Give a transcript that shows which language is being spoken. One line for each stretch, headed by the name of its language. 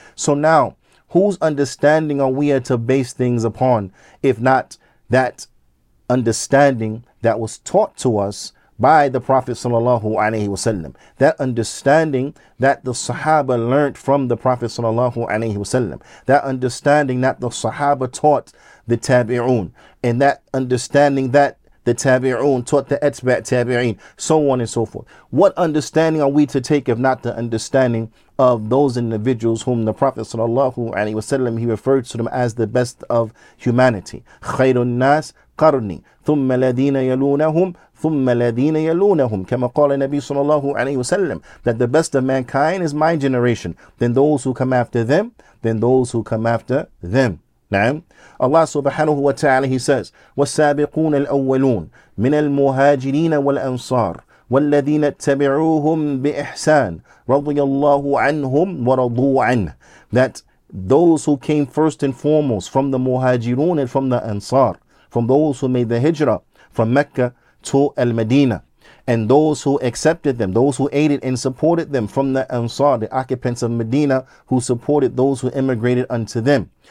English: So now, whose understanding are we to base things upon, if not that understanding that was taught to us by the Prophet sallallahu alaihi wasallam, that understanding that the Sahaba learned from the Prophet sallallahu alaihi wasallam, that understanding that the Sahaba taught the Tabi'un, and that understanding that the Tabi'un taught the Etba' Tabi'in, so on and so forth. What understanding are we to take if not the understanding of those individuals whom the Prophet sallallahu alaihi wasallam, He referred to them as the best of humanity?
Arabic: Khayrun nas قرني ثم الذين يلونهم ثم الذين يلونهم كما قال النبي صلى الله عليه وسلم.
English: That the best of mankind is my generation, then those who come after them, then those who come after them.
Arabic: نعم. Allah subhanahu wa ta'ala,
English: He says,
Arabic: والسابقون الأولون من المهاجرين والأنصار والذين اتبعوهم بإحسان رضي الله عنهم ورضوا عنه.
English: That those who came first and foremost from the muhajirun and from the ansar, from those who made the hijrah from Mecca to Al-Madinah, and those who accepted them, those who aided and supported them from the Ansar, the occupants of Medina, who supported those who immigrated unto them.